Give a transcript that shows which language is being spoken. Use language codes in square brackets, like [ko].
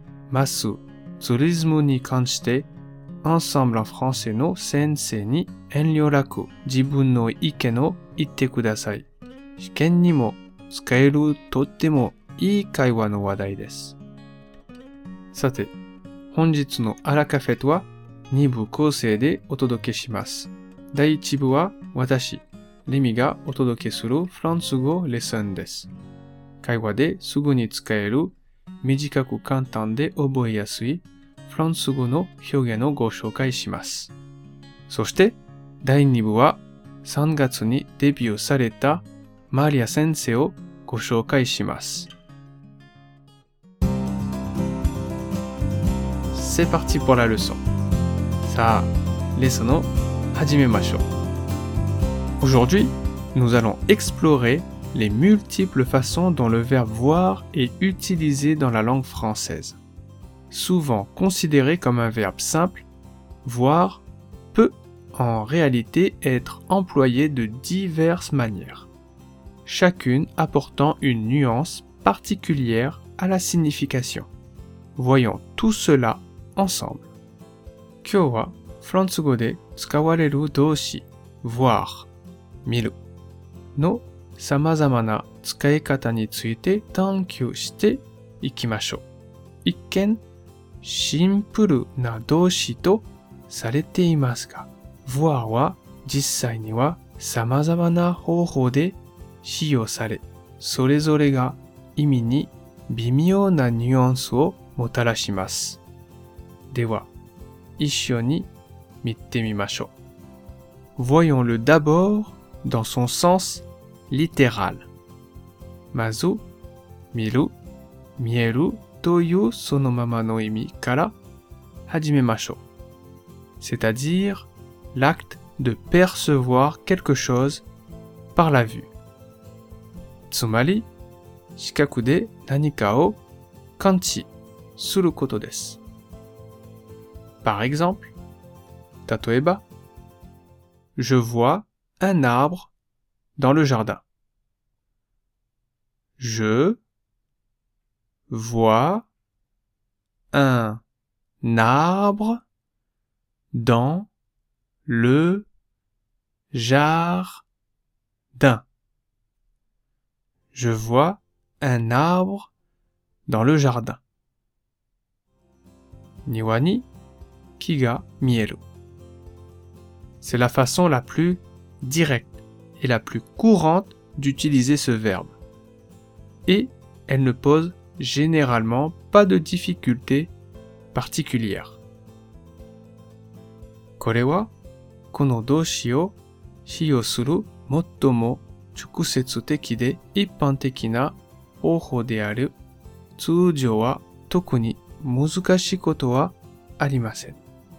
[ja] Masu, tsurizumu ni kanshite, Ensemble en français no sensei ni enryoraku jibun no ike no itte kudasai. Shiken ni mo tsukaeru tottemo ii kaiwa no wadai desu. Sate, honjitsu no arakafet wa 2部構成でお届けします。第1部は私、レミがお届けするフランス語レッスンです。会話ですぐに使える短く簡単で覚えやすいフランス語の表現をご紹介します。そして第2部は3月にデビューされたマリア先生をご紹介します。 [fr] C'est parti pour la leçon. [ja] さあ、レッスンを始めましょう。 [fr] Aujourd'hui, nous allons explorer les multiples façons dont le verbe voir est utilisé dans la langue française. Souvent considéré comme un verbe simple, voir peut en réalité être employé de diverses manières, chacune apportant une nuance particulière à la signification. Voyons tout cela ensemble. [ja] 今日はフランス語で使われる動詞 voir。見るの様々な使い方について探求していきましょう。一見シンプルな動詞とされていますが、voir は実際には様々な方法で使用され、それぞれが意味に微妙なニュアンスをもたらします。では、一緒に見てみましょう。 [fr] Voyons-le d'abord dans son sens littéral. [ja] まず、見る、見えるというそのままの意味から始めましょう。 [fr] C'est-à-dire l'acte de percevoir quelque chose par la vue. [ja] Tsumari, shikaku de nanika o kanchi suru koto desu. [fr] Par exemple, [ja] tatoeba, [fr] je vois un arbre dans le jardin. Je vois un arbre dans le jardin. Je vois un arbre dans le jardin. [ja] Niwa ni kiga mieru. [fr] C'est la façon la plus directe et la plus courante d'utiliser ce verbe. Et elle ne pose généralement pas de difficulté particulière. [ja] これはこの動詞を使用する最も直接的で一般的な方法である。通常は特に難しいことはありません。